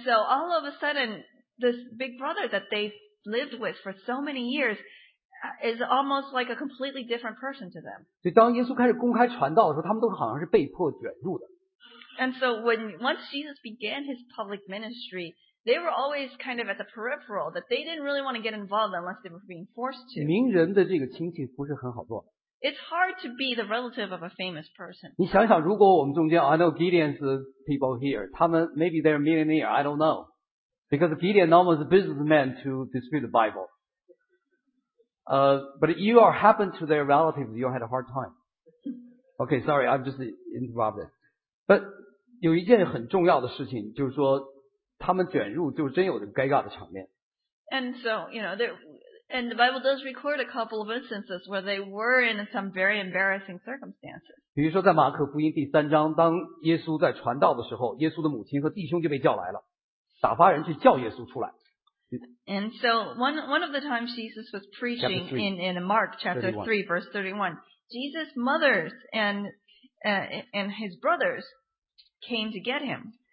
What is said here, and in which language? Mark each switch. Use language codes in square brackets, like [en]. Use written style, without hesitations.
[en] so all of a sudden, this big brother that they lived with for so many years is almost like a completely different person to them. [zh] 所以当耶稣开始公开传道的时候，他们都好像是被迫卷入的。 [en] And so once Jesus began his public ministry, they were always kind of at the peripheral, that they didn't really want to get involved unless they were being forced to. [zh] 名人的这个亲戚不是很好做。 [en] It's hard to be the relative of a famous person. [zh] 你想想，如果我们中间 [en] I know Gideon's people here, [zh] 他们 [en] maybe they're millionaire, I don't know. Because Gideon almost a businessman to dispute the Bible. But if you are happened to their relatives, you had a hard time. Okay, sorry, I'm just interrupted. But [zh] 有一件很重要的事情，就是说他们卷入就真有这个尴尬的场面。 [en] And so, you know, and the Bible does record a couple of instances where they were in some very embarrassing circumstances. [zh] 比如说在马可福音第三章，当耶稣在传道的时候，耶稣的母亲和弟兄就被叫来了。 [en] And so one of the times Jesus was preaching in Mark chapter 3 verse 31, Jesus' mothers and his brothers came to get him.